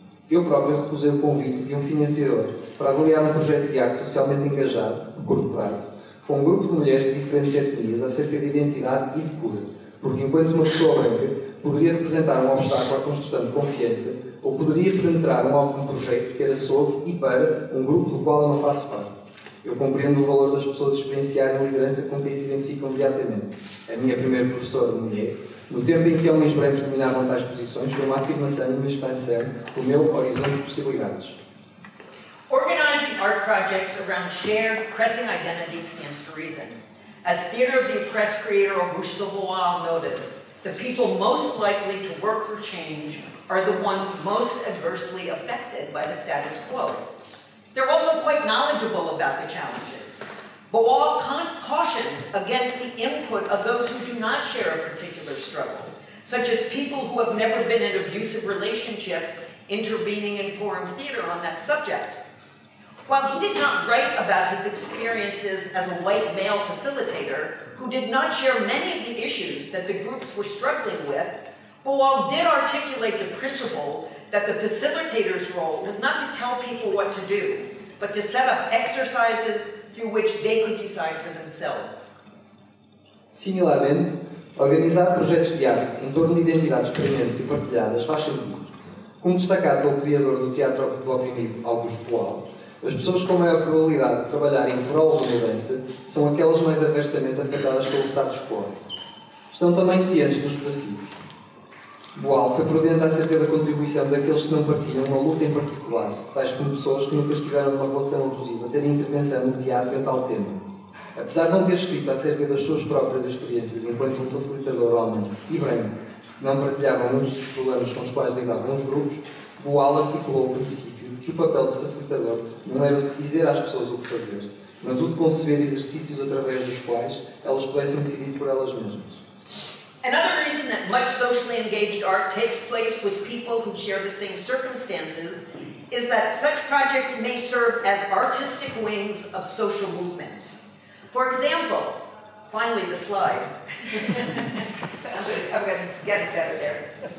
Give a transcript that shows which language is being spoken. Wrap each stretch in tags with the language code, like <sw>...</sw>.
<pt>Eu próprio recusei o convite de um financiador para avaliar um projeto de arte socialmente engajado, de curto prazo, com um grupo de mulheres de diferentes etnias acerca de identidade e de cura, porque enquanto uma pessoa branca poderia representar um obstáculo à construção de confiança ou poderia penetrar em algum projeto que era sobre e para um grupo do qual eu não faço parte. Eu compreendo o valor das pessoas experienciarem a liderança com quem se identificam diretamente. A minha primeira professora mulher, no tempo em que homens brancos dominavam tais posições, foi uma afirmação e uma expansão do meu horizonte de possibilidades.</pt> <en>Organizing art projects around shared, pressing identity stands to reason. As Theater of the Oppressed creator Auguste Lebois noted, the people most likely to work for change are the ones most adversely affected by the status quo. They're also quite knowledgeable about the challenges. Boal cautioned against the input of those who do not share a particular struggle, such as people who have never been in abusive relationships intervening in foreign theater on that subject. While he did not write about his experiences as a white male facilitator who did not share many of the issues that the groups were struggling with, Boal did articulate the principle that the facilitator's role was not to tell people what to do, but to set up exercises through which they could decide for themselves.</en> <pt>Similarmente, organizar projetos de arte em torno de identidades permanentes e partilhadas faz sentido. Como destacado pelo criador do teatro do oprimido, Auguste Boal, as pessoas com maior probabilidade de trabalhar em prol da mudança são aquelas mais adversamente afetadas pelo status quo. Estão também cientes dos desafios. Boal foi prudente acerca da contribuição daqueles que não partilham uma luta em particular, tais como pessoas que nunca estiveram numa relação abusiva terem intervenção no teatro em tal tema. Apesar de não ter escrito acerca das suas próprias experiências enquanto um facilitador homem e branco não partilhava muitos dos problemas com os quais lidavam os grupos, Boal articulou o princípio de que o papel do facilitador não era o de dizer às pessoas o que fazer, mas o de conceber exercícios através dos quais elas pudessem decidir por elas mesmas.</pt> <en>Another reason that much socially engaged art takes place with people who share the same circumstances is that such projects may serve as artistic wings of social movements. For example, finally the slide. I'm going to get it better there.</en>